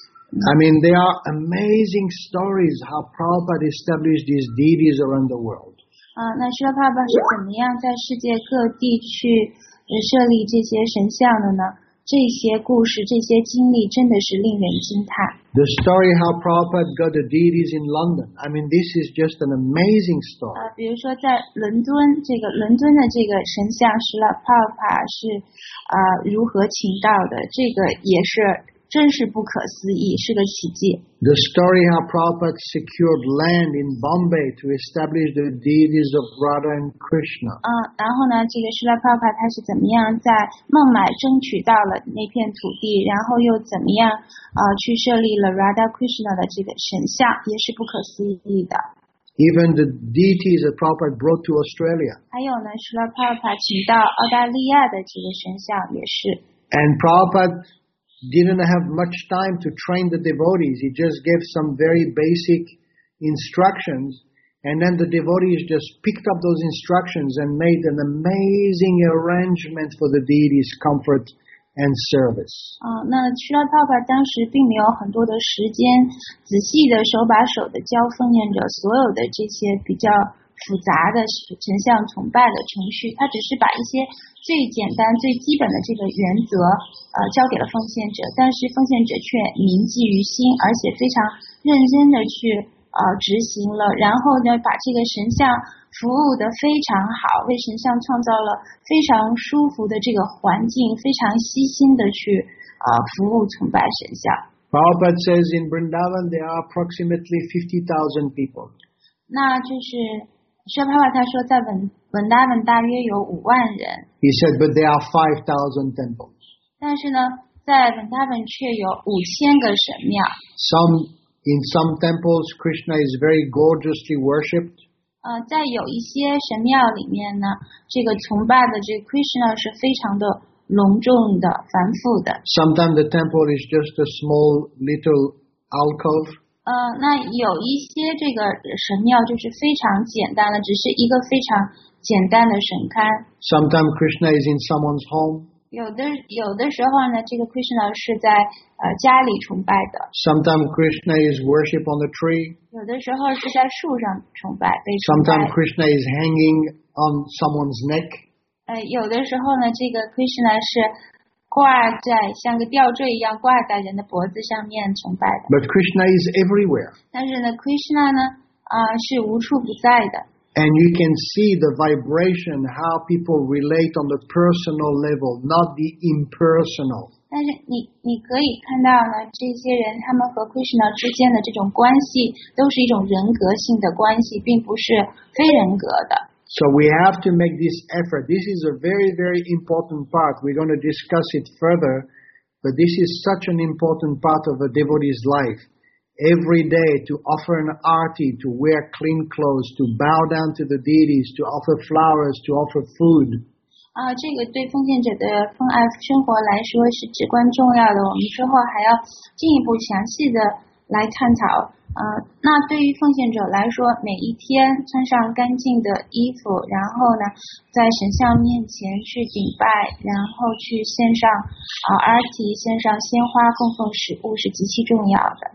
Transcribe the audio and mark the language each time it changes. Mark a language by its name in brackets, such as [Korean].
[English] I mean, there are amazing stories how Prabhupada established these deities around the world. [Chinese] 那Srila Prabhupada是怎么样在世界各地去设立这些神像的呢？这些故事、这些经历真的是令人惊叹。 [English] The story how Prabhupada got the deities in London. I mean, this is just an amazing story. [Chinese] 比如说在伦敦，这个伦敦的这个神像，Srila Prabhupada是如何请到的？这个也是。真是不可思议，是个奇迹。 [English] The story how Prabhupada secured land in Bombay to establish the deities of Radha and Krishna. [Chinese] 然后呢，这个Srila Prabhupada他是怎么样在孟买争取到了那片土地，然后又怎么样去设立了 Radha Krishna 的这个神像，也是不可思议的。 [English] Even the deities that Prabhupada brought to Australia. [Chinese] 还有呢，Srila Prabhupada请到澳大利亚的这个神像也是。 [English] And Prabhupada didn't have much time to train the devotees. He just gave some very basic instructions, and then the devotees just picked up those instructions and made an amazing arrangement for the deity's comfort and service. [Chinese] 那须拉帕帕当时并没有很多的时间，仔细的手把手的教奉献者所有的这些比较复杂的神像崇拜的程序，他只是把一些最简单最基本的这个原则交给了奉献者，但是奉献者却铭记于心，而且非常认真的去执行了，然后呢把这个神像服务的非常好，为神像创造了非常舒服的这个环境，非常悉心的去服务崇拜神像。 [English] Prabhupada says in Vrindavan there are approximately 50,000 people. [Chinese] 那就是舍帕瓦他说在文达文大约有五万人。 [English] He said, but there are 5,000 temples. [Chinese] 但是呢在文达文却有五千个神庙。 [English] In some temples, Krishna is very gorgeously worshipped. [Chinese] 在有一些神庙里面呢这个崇拜的这个 Krishna 是非常的隆重的繁复的。 [English] Sometimes the temple is just a small little alcove. [Chinese] 那有一些这个神庙就是非常简单的只是一个非常简单的神龛。 [English] Sometimes Krishna is in someone's home. [Chinese] 有的时候呢这个 Krishna 是在家里崇拜的。 [English] Sometimes Krishna is worship on the tree. [Chinese] 有的时候是在树上崇拜被崇拜。 [English] Sometimes Krishna is hanging on someone's neck. [Chinese] 有的时候呢这个 Krishna 是挂在像个吊坠一样挂在人的脖子上面崇拜的。 [English] But Krishna is everywhere. [Chinese] 但是呢 Krishna 呢是无处不在的。 [English] And you can see the vibration, how people relate on the personal level, not the impersonal. [Chinese] 但是你可以看到呢，这些人他们和 Krishna 之间的这种关系，都是一种人格性的关系，并不是非人格的。 [English] So we have to make this effort. This is a very, very important part. We're going to discuss it further, but this is such an important part of a devotee's life. Every day to offer an arti, to wear clean clothes, to bow down to the deities, to offer flowers, to offer food. [Chinese] 这个对奉献者的奉爱生活来说是至关重要的。我们之后还要进一步详细的来探讨。那对于奉献者来说，每一天穿上干净的衣服，然后呢，在神像面前去顶拜，然后去献上arti，献上鲜花，供奉食物是极其重要的。